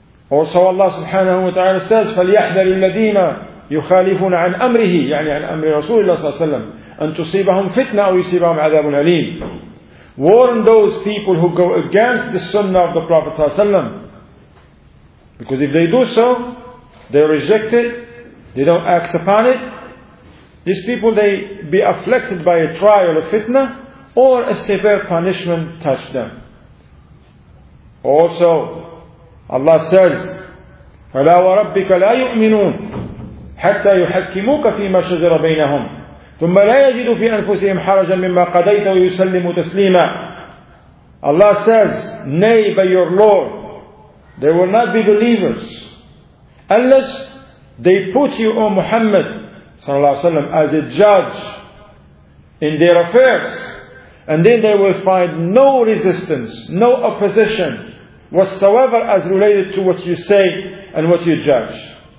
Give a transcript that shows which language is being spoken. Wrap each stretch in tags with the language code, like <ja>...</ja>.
<en>Also Allah subhanahu wa ta'ala says,</en> <ar>"فَلْيَحْذَرِ الَّذِينَ يُخَالِفُونَ عَنْ أَمْرِهِ" يعني عن أمر رسول الله صلى الله عليه وسلم أن تصيبهم فتنة أو يصيبهم عذاب أليم.</ar> <en>Warn those people who go against the Sunnah of the Prophet ﷺ. Because if they do so, they reject it, they don't act upon it. These people, they be afflicted by a trial of fitna, or a severe punishment touch them. Also, Allah says,</en> <ar>فَلَا وَرَبِّكَ لَا يُؤْمِنُونَ حَتَّى يُحَكِّمُوكَ فِي مَا شَجَرَ بَيْنَهُمْ ثم لا يجد في أنفسهم حرجا مما قضيت ويسلم تسليما.</ar> <en>Allah says, nay by your Lord, they will not be believers unless they put you, O Muhammad sallallahu alaihi wasallam, as a judge in their affairs, and then they will find no resistance, no opposition whatsoever as related to what you say and what you judge.</en>